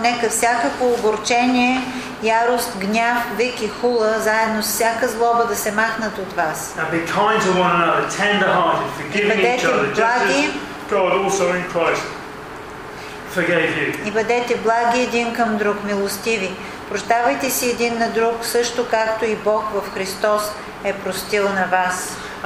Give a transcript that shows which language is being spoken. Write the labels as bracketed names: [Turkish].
[Bulgarian] Нека всякакво огорчение, ярост, гняв, вик и хула, заедно с всяка злоба да се махнат от вас. [English] Now be kind to one another, tender-hearted, forgiving each other, just as God also in Christ forgave you. [Bulgarian] И бъдете благи един към друг, милостиви. Прощавайте си един на друг, също както и Бог в Христос е простил на вас.